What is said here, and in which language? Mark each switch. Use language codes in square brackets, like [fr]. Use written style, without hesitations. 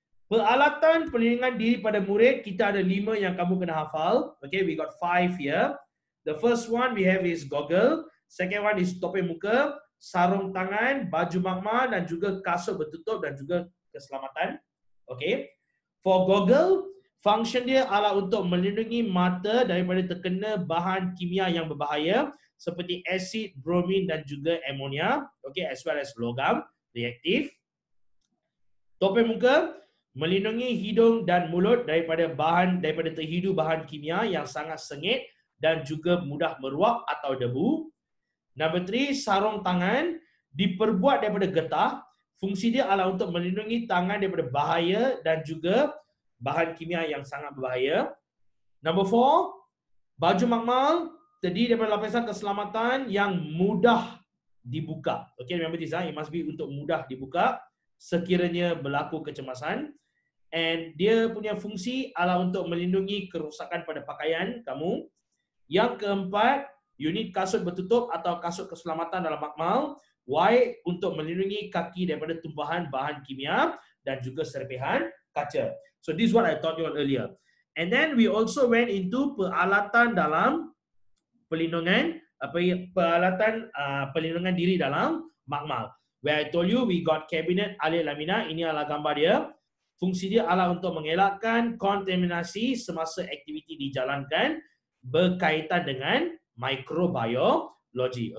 [ms] Peralatan perlindungan diri pada murid, kita ada lima yang kamu kena hafal. [en] Okay, we got five here. The first one we have is goggle. Second one is [ms] topeng muka, sarung tangan, baju makmal dan juga kasut bertutup dan juga keselamatan. Okay. For goggle, function dia adalah untuk melindungi mata daripada terkena bahan kimia yang berbahaya seperti asid, bromin dan juga amonia. [en] Okay, as well as logam reaktif. [ms] Topeng muka, melindungi hidung dan mulut daripada bahan daripada terhidu bahan kimia yang sangat sengit dan juga mudah meruap atau debu. Number 3, sarung tangan diperbuat daripada getah. Fungsi dia adalah untuk melindungi tangan daripada bahaya dan juga bahan kimia yang sangat berbahaya. Number 4, baju makmal terdiri daripada lapisan keselamatan yang mudah dibuka. [en] Okay, remember this, it must be [ms] untuk mudah dibuka sekiranya berlaku kecemasan. And dia punya fungsi adalah untuk melindungi kerosakan pada pakaian kamu. Yang keempat, unit kasut bertutup atau kasut keselamatan dalam makmal. Why? Untuk melindungi kaki daripada tumpahan bahan kimia dan juga serpihan kaca. [en] So this is what I taught you earlier. And then we also went into [ms] peralatan dalam perlindungan, peralatan perlindungan diri dalam makmal. [en] Where I told you we got cabinet alir lamina. [ms] Ini adalah gambar dia. Fungsi dia adalah untuk mengelakkan kontaminasi semasa aktiviti dijalankan berkaitan dengan microbiology.